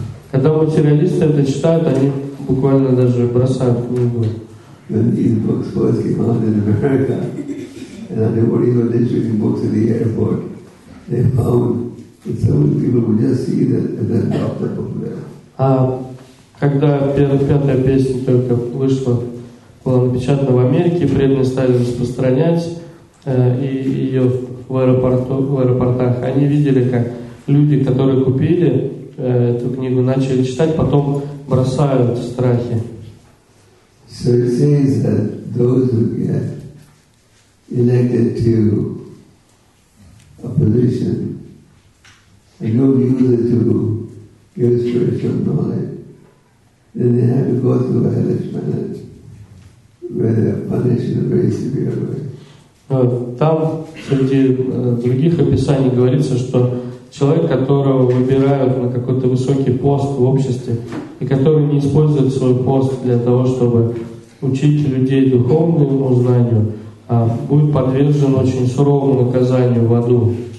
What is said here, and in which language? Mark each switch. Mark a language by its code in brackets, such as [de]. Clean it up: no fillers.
[ru] Когда материалисты это читают, они буквально даже бросают книгу. [en] When these books first came out in America, and the devotees were distributing books at the airport, they found that so many people would just see that and then drop the book there. [ru] Когда пятая песня только вышла, была напечатана в Америке, преданные стали распространять ее в аэропортах. Они видели, как люди, которые купили эту книгу, начали читать, потом бросают страхи. [en] So it says that those who get elected to a position and don't use it to give spiritual knowledge, then they have to go through a hellish planet where they are punished in a very severe way. [ru] Там среди других описаний говорится, что человек, которого выбирают на какой-то высокий пост в обществе и который не использует свой пост для того, чтобы учить людей духовному знанию, будет подвержен очень суровому наказанию в аду.